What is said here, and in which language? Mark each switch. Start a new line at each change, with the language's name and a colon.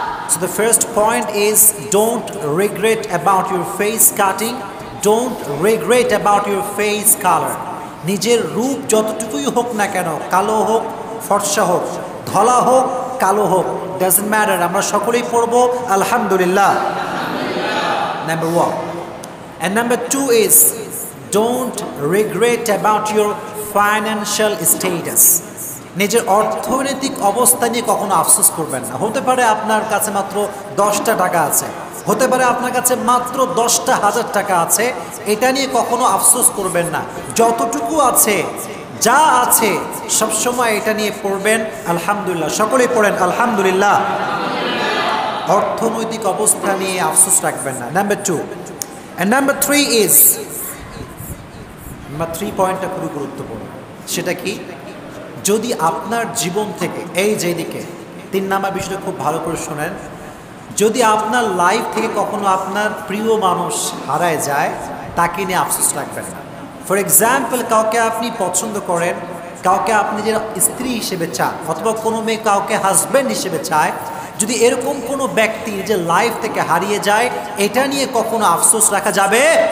English: So the first point is don't regret about your face cutting, don't regret about your face colour.
Bangla: নিজের রূপ যতটুকুই হোক না কেন, কালো হোক ফর্সা হোক ধলা হোক কালো হোক,
English: doesn't matter,
Bangla: আমরা সকলেই পড়বো আলহামদুলিল্লাহ,
English: Number one. And number two is, don't regret about your financial status.
Bangla: নিজের অর্থনৈতিক অবস্থা নিয়ে কখনো আফসোস করবেন না। হতে পারে আপনার কাছে মাত্র 10টা টাকা আছে, হতে পারে আপনার কাছে মাত্র 10,000 টাকা আছে, এটা নিয়ে কখনো আফসোস করবেন না। যতটুকু আছে যা আছে সবসময় এটা নিয়ে পড়বেন আলহামদুলিল্লাহ, সকলেই পড়েন আলহামদুলিল্লাহ, অর্থনৈতিক অবস্থা নিয়ে আফসোস রাখবেন না,
English: Number two. And number three is, number three point
Bangla: টা খুবই গুরুত্বপূর্ণ, সেটা কি? যদি আপনার জীবন থেকে, এই যে এদিকে তিন নাম্বার বিষয়টা খুব ভালো করে শোনেন, যদি আপনার লাইফ থেকে কখনো আপনার প্রিয় মানুষ হারায় যায় তাকে নিয়ে আফসোস রাখবেন না।
English: for example,
Bangla: কাউকে আপনি পছন্দ করেন, কাউকে আপনি যে স্ত্রী হিসেবে চান, অথবা কোনো মেয়ে কাউকে হাজব্যান্ড হিসেবে চায়, যদি এরকম কোনো ব্যক্তি যে লাইফ থেকে হারিয়ে যায় এটা নিয়ে কখনো আফসোস রাখা যাবে?